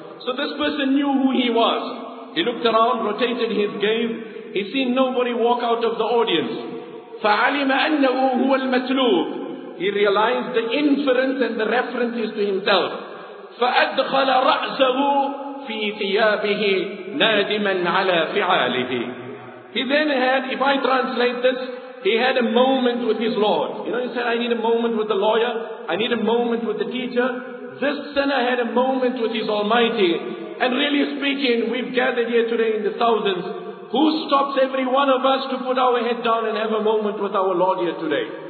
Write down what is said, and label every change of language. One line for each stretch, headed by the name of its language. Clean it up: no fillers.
English: So this person knew who he was. He looked around, rotated his gaze. He seen nobody walk out of the audience.
Arabic: فَعَلِمَ أَنَّهُ هُوَ الْمَتْلُوبُ.
English: He realized the inference and the reference is to himself.
Arabic: فَأَدْخَلَ رَأْسَهُ في ثيابه نادما على فعاله.
English: He then had, if I translate this, he had a moment with his Lord. You know, he said, I need a moment with the lawyer, I need a moment with the teacher. This sinner had a moment with his Almighty. And really speaking, we've gathered here today in the thousands. Who stops every one of us to put our head down and have a moment with our Lord here today?